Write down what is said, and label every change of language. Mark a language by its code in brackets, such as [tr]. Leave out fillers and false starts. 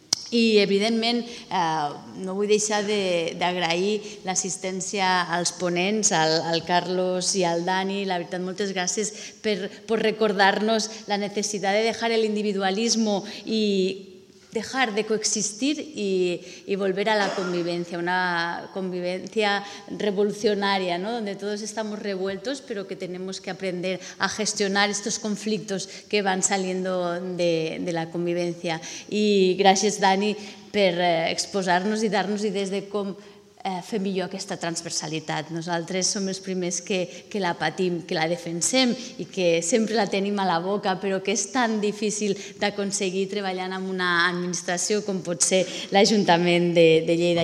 [ca] I, evidentment, no vull deixar d'agrair l'assistència als ponents, al Carlos i al Dani. La veritat, moltes gràcies per recordar-nos la necessitat de deixar l'individualisme i deixar de coexistir i [es] volver a la [ca] convivència, una convivència revolucionària, ¿no? [es] Donde todos estamos revueltos, pero que tenemos que aprender a gestionar estos conflictos que van saliendo de la convivència. [ca] I gràcies, Dani, per exposar-nos i dar-nos idees de com fer millor aquesta transversalitat. Nosaltres som els primers que la patim, que la defensem i que sempre la tenim a la boca, però que és tan difícil d'aconseguir treballant amb una administració com pot ser l'Ajuntament de Lleida.